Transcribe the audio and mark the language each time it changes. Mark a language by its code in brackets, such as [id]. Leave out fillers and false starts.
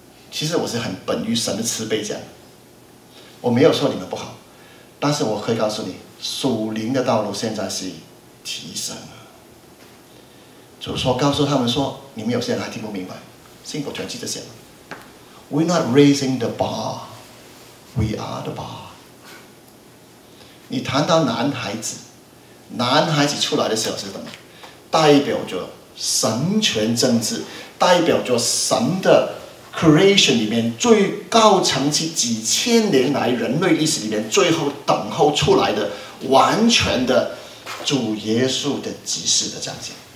[zh] 其实我是很本于神的慈悲讲。我没有说你们不好，但是我可以告诉你，属灵的道路现在是提升了。主说告诉他们说，你们有些人还听不明白，信口全记就行了。 [en] We're not raising the bar, we are the bar。 [zh] 你谈到男孩子，男孩子出来的时候是什么？代表着神权政治，代表着神的creation 里面最高层次，几千年来人类历史里面最后等候出来的完全的主耶稣的即时的彰显。